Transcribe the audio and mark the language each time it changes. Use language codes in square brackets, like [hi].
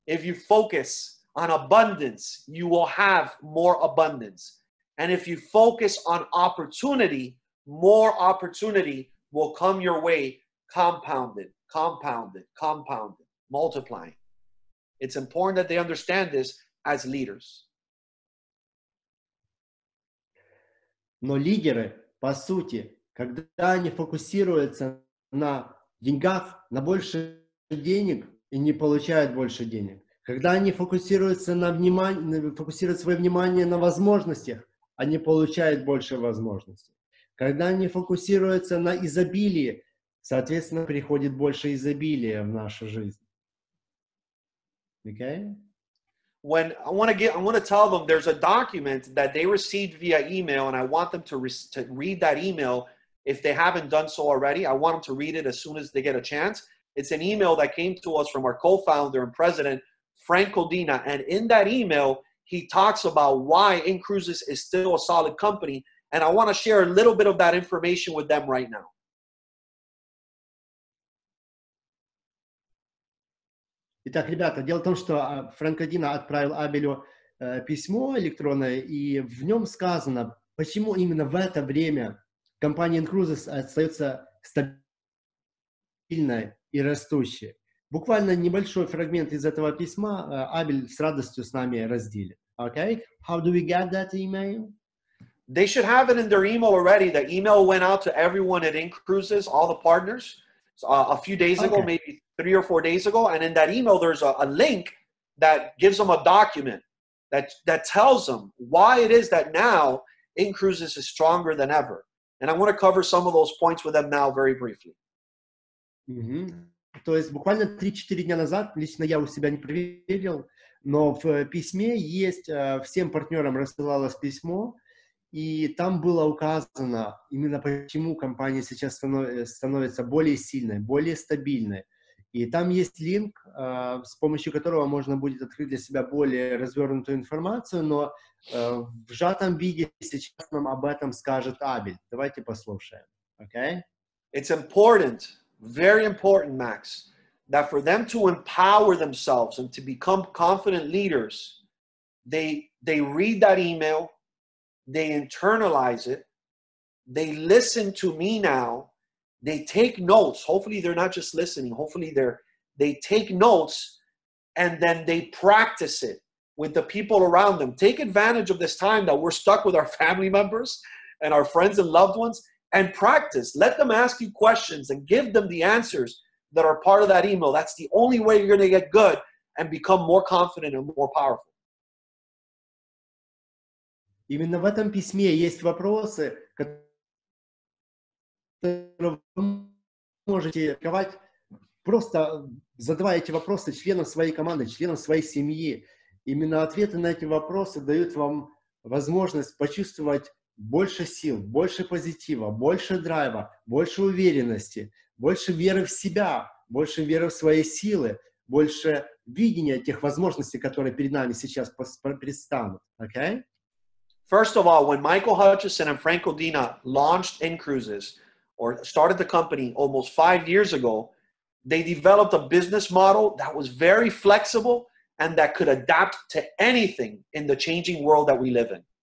[en] If you focus on abundance, you will have more abundance. And if you focus on opportunity, more opportunity will come your way, compounded, compounded, compounded, multiplying. It's important that they understand this as leaders. [ru] Но лидеры, по сути, когда они фокусируются на деньгах, на больше денег и не получают больше денег. Когда они фокусируются на внимание, фокусируют свое внимание на возможностях, они получают больше возможностей. Когда они фокусируются на изобилии, соответственно, приходит больше изобилия в нашу жизнь. Okay? [en] When I want to tell them there's a document that they received via email, and I want them to read that email if they haven't done so already. I want them to read it as soon as they get a chance. It's an email that came to us from our co-founder and president, Frank Codina, and in that email, he talks about why InCruises is still a solid company, and I want to share a little bit of that information with them right now. [ru] Итак, ребята, дело в том, что Фрэнк Одино отправил Абелю письмо электронное, и в нем сказано, почему именно в это время компания Incruises остается стабильной и растущей. Буквально небольшой фрагмент из этого письма Абель с радостью с нами разделит. [en] Okay? How do we get that email? They should have it in their email already. The email went out to everyone at Incruises, all the partners, a few days ago, maybe 3 or 4 days ago. And in that email, there's a link that gives them a document that tells them why it is that now Incruises is stronger than ever. And I want to cover some of those points with them now very briefly. Mm-hmm. [ru] То есть буквально 3-4 дня назад, лично я у себя не проверил, но в письме есть, всем партнерам рассылалось письмо, и там было указано именно почему компания сейчас становится более сильной, более стабильной. И там есть линк, с помощью которого можно будет открыть для себя более развернутую информацию, но в сжатом виде сейчас нам об этом скажет Абель. Давайте послушаем. Okay? [en] It's important. Very important, Max, that for them to empower themselves and to become confident leaders, they read that email, they internalize it, they listen to me now, they take notes. Hopefully they're not just listening. Hopefully they take notes and then they practice it with the people around them. Take advantage of this time that we're stuck with our family members and our friends and loved ones. And practice. Let them ask you questions and give them the answers that are part of that email. That's the only way you're going to get good and become more confident and more powerful. [ru] Именно в этом письме есть вопросы, которые вы можете задавать. Просто задавай эти вопросы членам своей команды, членам своей семьи. Именно ответы на эти вопросы дают вам возможность почувствовать больше сил, больше позитива, больше драйва, больше уверенности, больше веры в себя, больше веры в свои силы, больше видения тех возможностей, которые перед нами сейчас предстанут. Okay? [en] First of all, when Michael Hutchison and Frank Odina launched Incruises, or started the company almost 5 years ago, they developed a business model that was very flexible and that could adapt to anything in the changing world that we live in.